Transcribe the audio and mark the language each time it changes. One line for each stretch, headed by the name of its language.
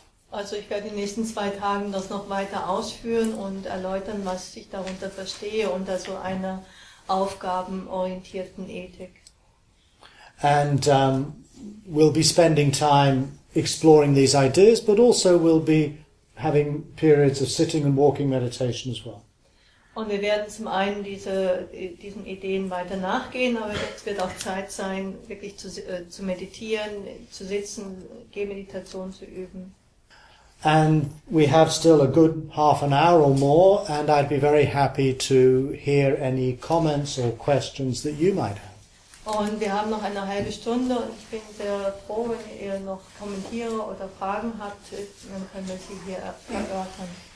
German: Also ich werde in den nächsten zwei Tagen das noch weiter ausführen und erläutern, was ich darunter verstehe unter so einer aufgabenorientierten Ethik.
English: And we'll be spending time exploring these ideas, but also we'll be having periods of sitting and walking meditation as well.
German: Und wir werden zum einen diesen Ideen weiter nachgehen, aber jetzt wird auch Zeit sein, wirklich zu meditieren, zu sitzen, Gehmeditation zu üben.
English: And we have still a good half an hour or more, and I'd be very happy to hear any comments or questions that you might have.
German: Und wir haben noch eine halbe Stunde, und ich bin sehr froh, wenn ihr noch Kommentare oder Fragen habt, dann können wir sie hier erörtern.